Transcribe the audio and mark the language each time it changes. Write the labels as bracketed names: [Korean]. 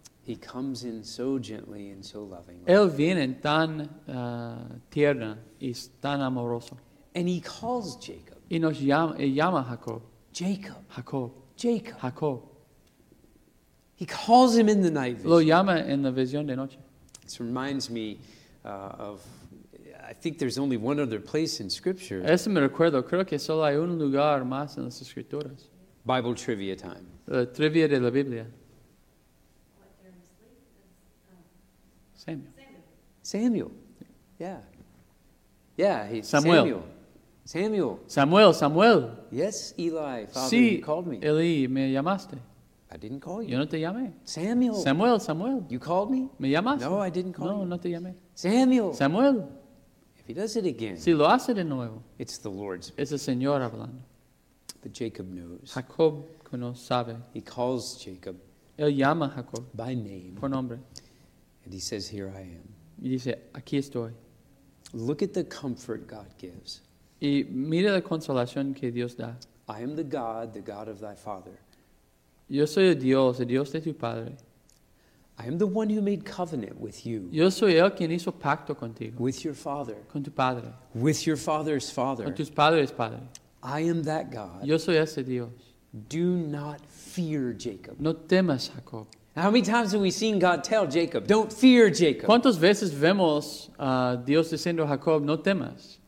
[English] He comes in so gently and so lovingly. [Spanish] Él viene tan tierna y tan amoroso. [English] And he calls Jacob. [Spanish] Y nos llama Jacob. [English] Jacob. [Spanish] Jacob. [English] Jacob. [Spanish] Jacob. [English] He calls him in the night vision. [Spanish] Lo llama en la visión de noche. [English] This reminds me of, I think there's only one other place in Scripture. [Spanish] Eso me recuerdo. Creo que solo hay un lugar más en las Escrituras. [English] Bible trivia time. [Spanish] La trivia de la Biblia. [English] Samuel. Samuel. Yeah. Yeah, [Spanish] Samuel. [English] Samuel. [Spanish] Samuel, Samuel. [English] Yes, Eli, Father, [Spanish] sí, [English] you called me. [Spanish] Eli, me llamaste. [English] I didn't call you. [Spanish] Yo no te llamé. [English] Samuel. [Spanish] Samuel, Samuel. [English] You called me? [Spanish] Me llamaste. [English] No, I didn't call [Spanish] no, [English] you. [Spanish] No, no te llamé. [English] Samuel. [Spanish] Samuel. [English] If he does it again. [Spanish] Si lo hace de nuevo. [English] It's the Lord's. [Spanish] Es el Señor hablando. [English] But Jacob knows. [Spanish] Jacob conoce, sabe. [English] He calls Jacob. [Spanish] Él llama a Jacob. [English] By name. [Spanish] Por nombre. [English] And he says, "Here I am." [Spanish] Y dice, aquí estoy. [English] Look at the comfort God gives. [Spanish] Y mira la consolación que Dios da. [English] I am the God of thy father. [Spanish] Yo soy el Dios de tu padre. [English] I am the one who made covenant with you. [Spanish] Yo soy el quien hizo pacto contigo. [English] With your father. [Spanish] Con tu padre. [English] With your father's father. [Spanish] Con tus padres padres. [English] I am that God. [Spanish] Yo soy ese Dios. [English] Do not fear, Jacob. [Spanish] No temas, Jacob. [English] How many times have we seen God tell Jacob, "Don't fear, Jacob"? [Spanish] ¿Cuántas veces vemos Dios diciendo a Jacob, "No temas"?